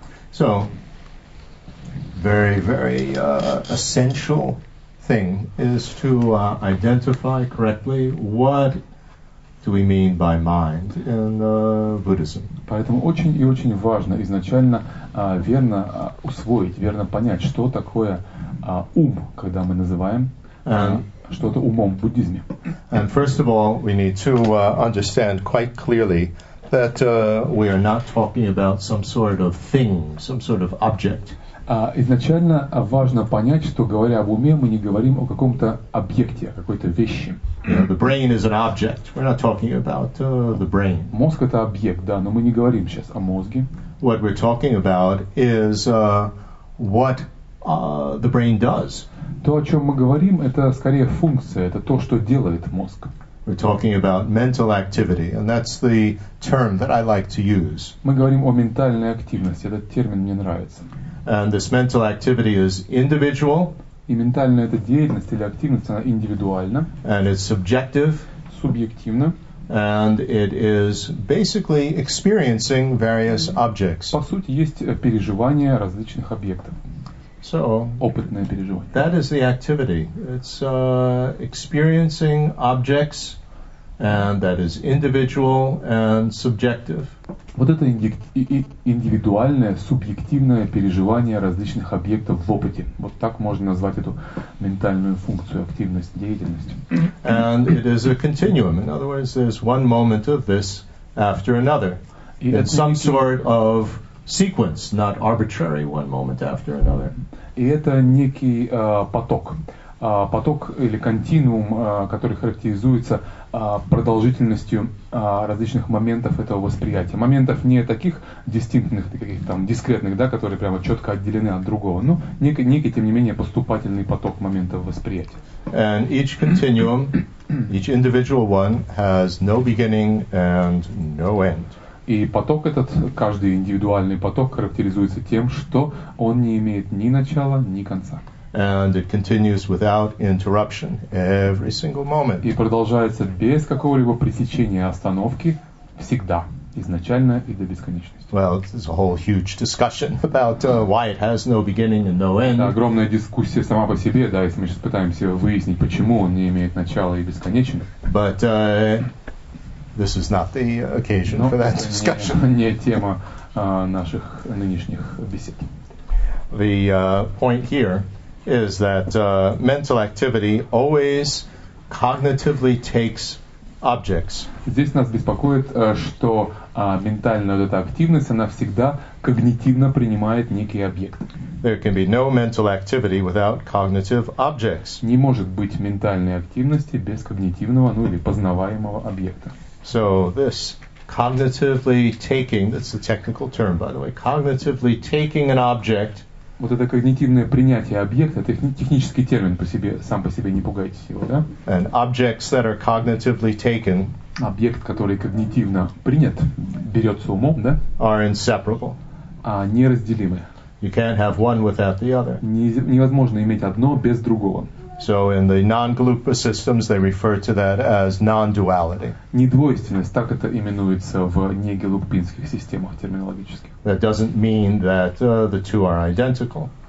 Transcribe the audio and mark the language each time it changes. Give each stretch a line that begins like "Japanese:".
English: So, very, very essential thing is to identify correctly what do we mean by mind in Buddhism.
Russian: Поэтому очень и очень важно изначально верно усвоить, верно понять, что такое ум, когда мы называем что-то умом в буддизме.
English: And first of all, we need to understand quite clearly that we are not talking about some sort of thing, some sort of object.
Russian: Изначально важно понять, что говоря об уме, мы не говорим о каком-то объекте, о какой-то вещи.
English: You know, the brain is an object. We're not talking about the brain.
Russian: Мозг — это объект, да, но мы не говорим сейчас о мозге.
English: What we're talking about is what the brain does.
Russian: То, о чем мы говорим, это скорее функция, это то, что делает мозг.
English: We're talking about mental activity, and that's the term that I like to use.
Russian: Мы говорим о ментальной активности, этот термин мне нравится.
English: And this mental activity is individual.
Russian: И ментальная эта деятельность или активность, она индивидуальна.
English: And it's subjective.
Russian: Субъективна.
English: And it is basically experiencing various objects.
Russian: По сути, есть переживание различных объектов.
English: So,
Russian: опытное переживание.
English: That is the activity. It's experiencing objects, and that is individual and subjective.
Russian: Вот это индивидуальное, субъективное переживание различных объектов в опыте. Вот так можно назвать эту ментальную функцию, активность, деятельность.
English: And it is a continuum. In other words, there's one moment of this after another. It's some sort of sequence, not arbitrary one moment after another.
Russian: И это некий поток. Поток или континуум, который характеризуется продолжительностью различных моментов этого восприятия. Моментов не таких дистинктных, каких там дискретных, да, которые прямо четко отделены от другого, но некий, тем не менее, поступательный поток моментов восприятия.
English: And each continuum, each individual one, has no beginning and no end.
Russian: И поток этот, каждый индивидуальный поток, характеризуется тем, что он не имеет ни начала, ни конца.
English: And it continues without interruption every single moment.
Russian: И продолжается без какого-либо пресечения остановки всегда, изначально и до бесконечности.
English: Well, there's a whole huge discussion about why it has no beginning and no end.
Russian: Это огромная дискуссия сама по себе, да, если мы сейчас пытаемся выяснить, почему он не имеет начала и бесконечен.
English: But this is not the occasion for that discussion.
Russian: Но не тема наших нынешних бесед.
English: The point here is that mental activity always cognitively takes objects.
Russian: Здесь нас беспокоит, что ментальная эта активность, она всегда когнитивно принимает некий объект.
English: There can be no mental activity without cognitive objects.
Russian: Не может быть ментальной активности без когнитивного, ну или познаваемого объекта.
English: So this cognitively taking, that's the technical term, by the way, cognitively taking an object.
Russian: Вот это когнитивное принятие объекта, технический термин по себе, сам по себе, не пугайтесь его, да?
English: And objects that are cognitively taken,
Russian: объект, который когнитивно принят, берется умом, да?
English: Are inseparable.
Russian: Неразделимы.
English: You can't have one without the other.
Russian: Невозможно иметь одно без другого.
English: So in the non-glupa systems they refer to that as non-duality.
Russian: Недвойственность, так это именуется в неглупинских системах терминологических.
English: That doesn't mean that the two are identical.